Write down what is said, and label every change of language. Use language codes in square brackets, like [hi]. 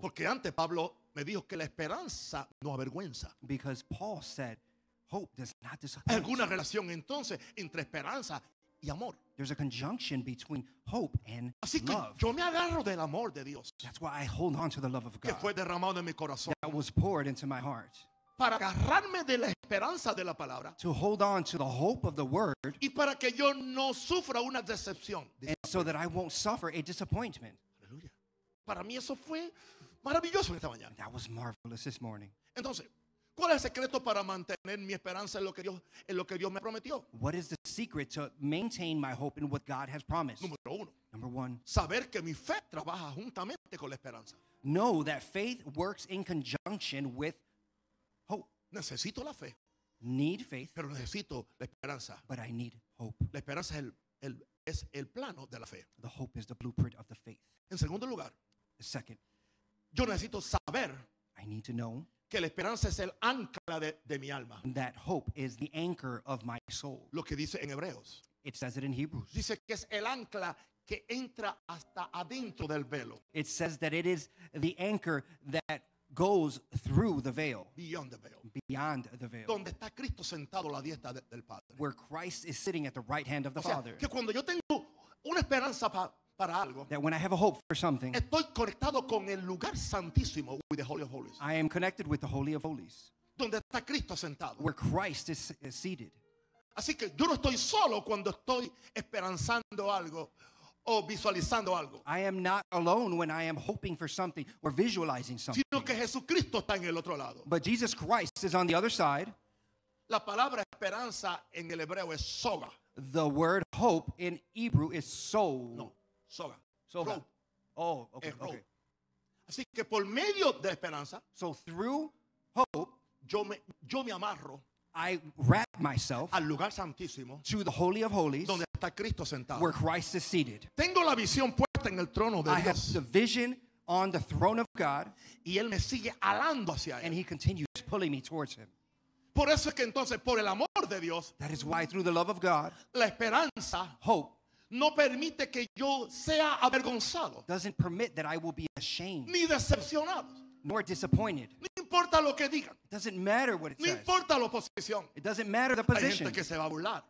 [es] Porque antes Pablo me dijo que la esperanza no avergüenza. [en] Because Paul said, hope does not disappoint. [es] ¿Hay alguna relación entonces entre esperanza y amor? [en] There's a conjunction between hope and love. [es] Así que yo me agarro del amor de Dios. [en] That's why I hold on to the love of God. [es] Que fue derramado en mi corazón. [en] That was poured into my heart. [es] Para agarrarme de la esperanza de la palabra. [en] To hold on to the hope of the word. [es] Y para que yo no sufra una decepción. [en] And so that I won't suffer a disappointment. [es] Aleluya. Para mí eso fue maravilloso esta mañana. [en] That was marvelous this morning. [es] Entonces, ¿cuál es el secreto para mantener mi esperanza en lo que Dios me prometió? [en] What is the secret to maintain my hope in what God has promised? [es] Número uno. [en] Number one. [es] Saber que mi fe trabaja juntamente con la esperanza. [en] Know that faith works in conjunction with [es] necesito la fe. [en] Need faith. [es] Pero necesito la esperanza. [en] But I need hope. [es] La esperanza es el, el, es el plano de la fe. [en] The hope is the blueprint of the faith. [es] En segundo lugar, [en] the second, [es] yo necesito saber, [en] I need to know, [es] que la esperanza es el ancla de mi alma. [en] That hope is the anchor of my soul. [es] Lo que dice en Hebreos. [en] It says it in Hebrews. [es] Dice que es el ancla que entra hasta adentro del velo. [en] It says that it is the anchor that goes through the veil. Beyond the veil. Beyond the veil. [es] Donde está Cristo sentado a la diestra del Padre. [en] Where Christ is sitting at the right hand of the Father. [es] O sea, que cuando yo tengo una esperanza para algo, [en] that when I have a hope for something, [es] estoy conectado con el lugar santísimo, [en] with the Holy of Holies. I am connected with the Holy of Holies. [es] Donde está Cristo sentado. [en] Where Christ is seated. [es] Así que yo no estoy solo cuando estoy esperanzando algo o visualizando algo. [en] I am not alone when I am hoping for something or visualizing something. [es] Sino que Jesucristo está en el otro lado. [en] But Jesus Christ is on the other side. [es] La palabra esperanza en el hebreo es soga. [en] The word hope in Hebrew is soul. [es] No, soga. Soga. [en] Rope. Oh, okay. [es] Así que por medio de esperanza, [en] so through hope, [es] yo me amarro, [en] I wrap myself [es] al lugar santísimo, [en] to the Holy of Holies, [es] donde está Cristo sentado, [en] where Christ is seated. [es] Tengo la visión puesta en el trono de [en] I [es] Dios. [en] Have the vision on the throne of God, [es] y él me sigue alando hacia [en] and [es] él. [en] He continues pulling me towards him. [es] Por eso es que entonces, por el amor de Dios, [en] that is why through the love of God, [es] la esperanza, [en] hope, [es] no permite que yo sea avergonzado, [en] doesn't permit that I will be ashamed, [es] ni decepcionado, [en] nor disappointed. [es] No importa lo que digan. [en] It doesn't matter what it says. [es] No importa la posición. [en] It doesn't matter the position. [es] Hay gente que se va a burlar.